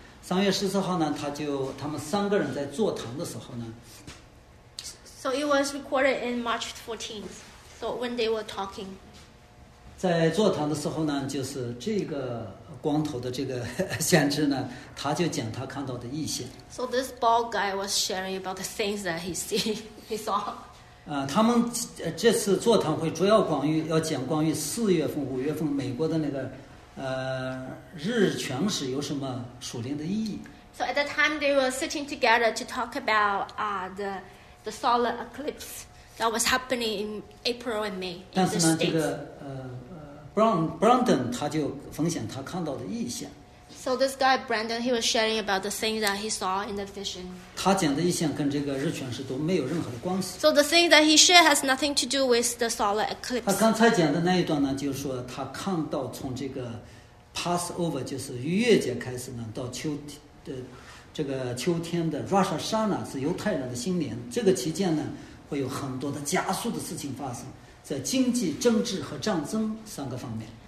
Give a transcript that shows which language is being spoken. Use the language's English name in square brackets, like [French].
[Chinese] 三月十四号呢，他们三个人在座谈的时候呢。 [English] So it was recorded in March 14th. So when they were talking. [Chinese] 在座谈的时候呢，就是这个光头的这个先知呢，他就讲他看到的异象。 [English] So this bald guy was sharing about the things that he saw. [Chinese] 他们这次座谈会主要关于要讲关于四月份五月份美国的那个日全食有什么属灵的意义。 [English] So at the time they were sitting together to talk about the solar eclipse that was happening in April and May. [Chinese] 但是呢，这个Brandon 他就分享他看到的异象。 [English] So this guy Brandon, he was sharing about the thing that he saw in the vision. [Chinese] 他讲的异象跟这个日全食都没有任何的关系。 [English] So the thing that he shared has nothing to do with the solar eclipse. [Chinese] 他刚才讲的那一段呢，就是说他看到从这个 Passover 就是逾越节开始呢，到秋的这个秋天的 Rosh Hashanah 是犹太人的新年，这个期间呢，会有很多的加速的事情发生，在经济、政治和战争三个方面。